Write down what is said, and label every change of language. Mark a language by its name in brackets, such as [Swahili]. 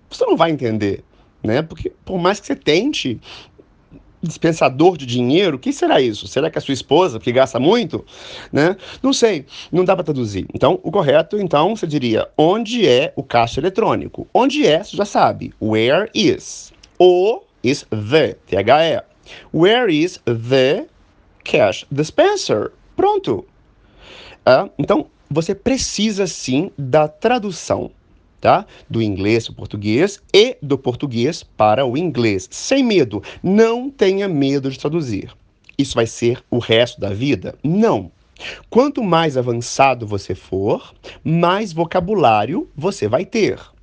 [Portuguese] Você não vai entender, né? Porque por mais que você tente dispensador de dinheiro, quem será isso? Será que é a sua esposa, que gasta muito? Né? Não sei, não dá para traduzir. Então, o correto, então, você diria: onde é o caixa eletrônico? Onde é? Você já sabe. [English] Where is? [Portuguese] O is the, THE. [English] Where is the cash dispenser? [Portuguese] Pronto. Então, você precisa sim da tradução, tá? Do inglês para o português e do português para o inglês. Sem medo. Não tenha medo de traduzir. Isso vai ser o resto da vida? Não. Quanto mais avançado você for, mais vocabulário você vai ter.